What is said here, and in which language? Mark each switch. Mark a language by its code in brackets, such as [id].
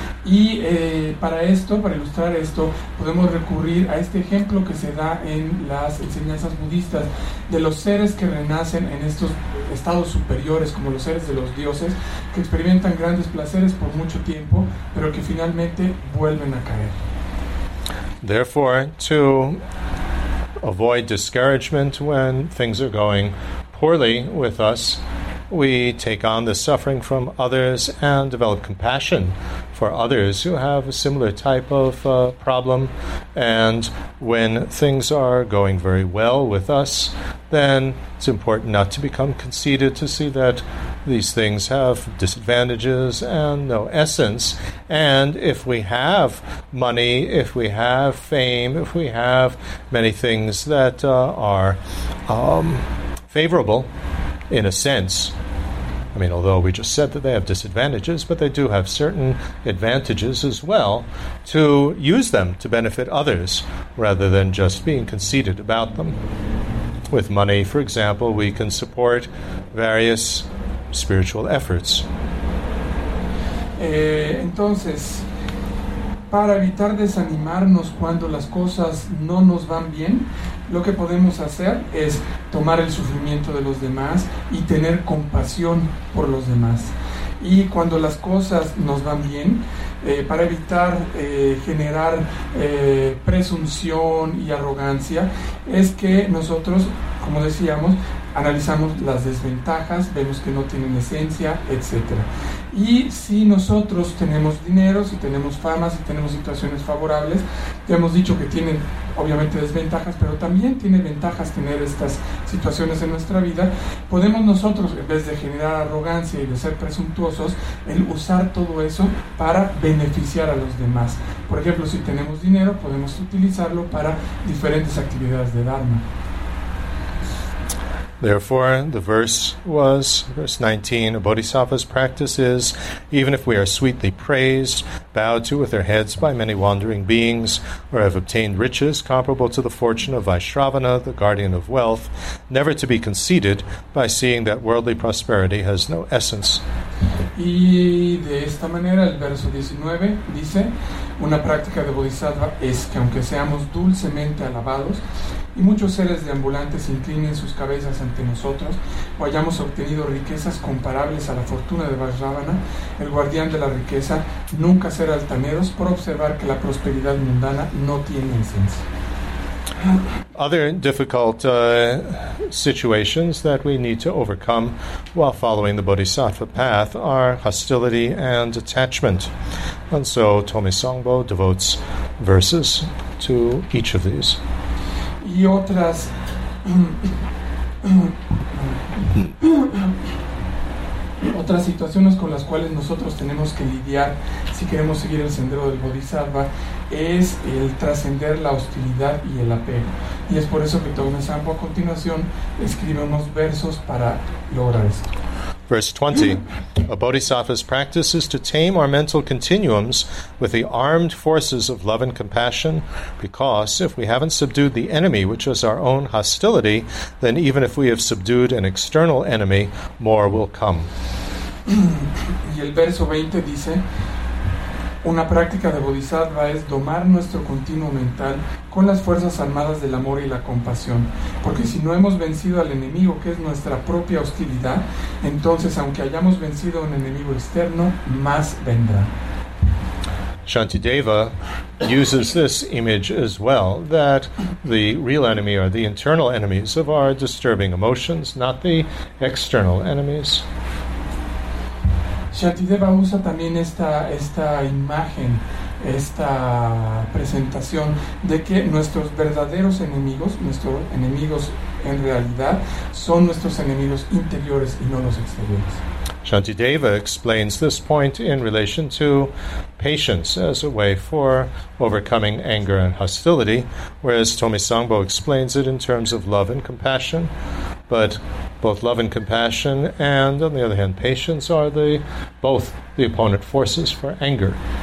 [es] Y para esto, para ilustrar esto, podemos recurrir a este ejemplo que se da en las enseñanzas budistas de los seres que renacen en estos estados superiores, como los seres de los dioses, que experimentan grandes placeres por mucho tiempo, pero que finalmente vuelven a caer. [en] Therefore, to avoid discouragement when things are going poorly with us, we take on the suffering from others and develop compassion for others who have a similar type of problem. And when things are going very well with us, then it's important not to become conceited, to see that these things have disadvantages and no essence. And if we have money, if we have fame, if we have many things that are favorable, in a sense, I mean, although we just said that they have disadvantages, but they do have certain advantages as well, to use them to benefit others rather than just being conceited about them. With money, for example, we can support various spiritual efforts. [es] Entonces, para evitar desanimarnos cuando las cosas no nos van bien, lo que podemos hacer es tomar el sufrimiento de los demás y tener compasión por los demás. Y cuando las cosas nos van bien, para evitar generar presunción y arrogancia, es que nosotros, como decíamos, analizamos las desventajas, vemos que no tienen esencia, etc. Y si nosotros tenemos dinero, si tenemos fama, si tenemos situaciones favorables, ya hemos dicho que tienen obviamente desventajas, pero también tiene ventajas tener estas situaciones en nuestra vida, podemos nosotros, en vez de generar arrogancia y de ser presuntuosos, el usar todo eso para beneficiar a los demás. Por ejemplo, si tenemos dinero, podemos utilizarlo para diferentes actividades de Dharma. [en] Therefore, the verse was, verse 19, a bodhisattva's practice is, even if we are sweetly praised, bowed to with our heads by many wandering beings, or have obtained riches comparable to the fortune of Vaishravana, the guardian of wealth, never to be conceited by seeing that worldly prosperity has no essence. [es] Y de esta manera, el verso 19 dice, una práctica de bodhisattva es que aunque seamos dulcemente alabados, y muchos seres deambulantes inclinen sus cabezas ante nosotros, o hayamos obtenido riquezas comparables a la fortuna de Vaishravana, el guardián de la riqueza nunca será altaneros por observar que la prosperidad mundana no tiene esencia. [en] Other difficult situations that we need to overcome while following the bodhisattva path are hostility and attachment. And so Tomi Songbo devotes verses to each of these. [es] Y otras otras situaciones con las cuales nosotros tenemos que lidiar si queremos seguir el sendero del bodhisattva es el trascender la hostilidad y el apego, y es por eso que Tomi Songbo a continuación escribe unos versos para lograr esto. [en] Verse 20, a bodhisattva's practice is to tame our mental continuums with the armed forces of love and compassion, because if we haven't subdued the enemy, which is our own hostility, then even if we have subdued an external enemy, more will come. [es] Y el verso 20 dice, una práctica de bodhisattva es domar nuestro continuo mental con las fuerzas armadas del amor y la compasión, porque si no hemos vencido al enemigo, que es nuestra propia hostilidad, entonces aunque hayamos vencido a un enemigo externo, más vendrá. [en] Shantideva uses this image as well, that the real enemy are the internal enemies of our disturbing emotions, not the external enemies. [es] Shantideva usa también esta imagen, esta presentación de que nuestros verdaderos enemigos, nuestros enemigos en realidad, son nuestros enemigos interiores y no los exteriores. [en] Shantideva explains this point in relation to patience as a way for overcoming anger and hostility, whereas Tomi Songbo explains it in terms of love and compassion. But both love and compassion and, on the other hand, patience are both the opponent forces for anger.